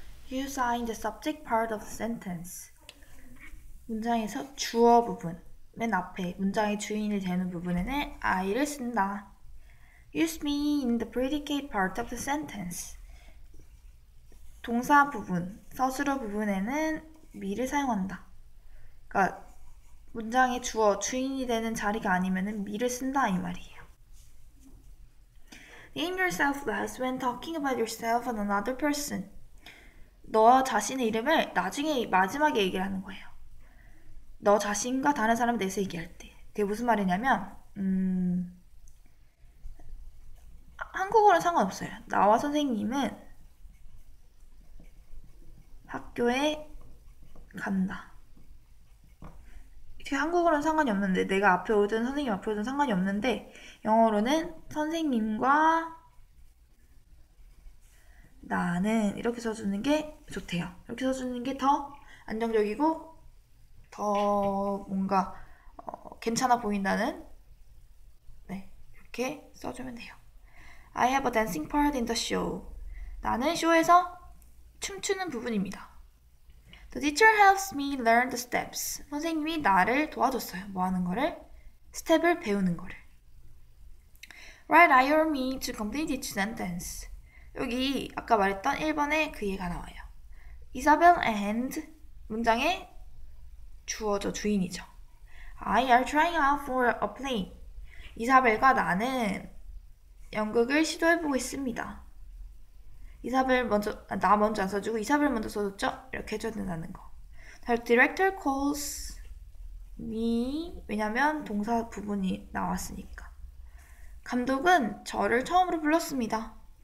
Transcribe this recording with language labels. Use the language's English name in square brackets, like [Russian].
[English] You sign the subject part of sentence. [Korean] 문장에서 주어 부분. 맨 앞에 문장의 주인이 되는 부분에는 I를 쓴다. [English] Use me in the predicate part of the sentence. [Korean] 동사 부분, 서술어 부분에는 me를 사용한다. 그러니까 문장의 주어, 주인이 되는 자리가 아니면은 me를 쓴다 이 말이에요. [English] Name yourself less when talking about yourself and another person. [Korean] 너 자신의 이름을 나중에 마지막에 얘기하는 거예요. 너 자신과 다른 사람에 대해서 얘기할 때. 그게 무슨 말이냐면, 한국어는 상관없어요. 나와 선생님은 학교에 간다. 이게 한국어는 상관이 없는데, 내가 앞에 오든 선생님 앞에 오든 상관이 없는데, 영어로는 선생님과 나는 이렇게 써주는 게 좋대요. 이렇게 써주는 게더 안정적이고, 더 뭔가, 괜찮아 보인다는, 이렇게 써주면 돼요. [English] I have a dancing part in the show. [Korean] 나는 쇼에서 춤추는 부분입니다. [English] The teacher helps me learn the steps. [Korean] 선생님이 나를 도와줬어요. 뭐 하는 거를? 스텝을 배우는 거를. [English] Write I or me to complete each sentence. [Korean] 여기 아까 말했던 1번에 그 예가 나와요. [English] Isabel and [Korean] 문장의 주어죠, 주인이죠. [English] I are trying out for a plane. [Korean] 이사벨과 나는 연극을 시도해보고 있습니다. 이사벨 먼저, 나 먼저 안 써주고 이사벨 먼저 써줬죠? 이렇게 해줘야 된다는 거. [English] The director calls me. [Korean] 왜냐면 동사 부분이 나왔으니까. 감독은 저를 처음으로 불렀습니다.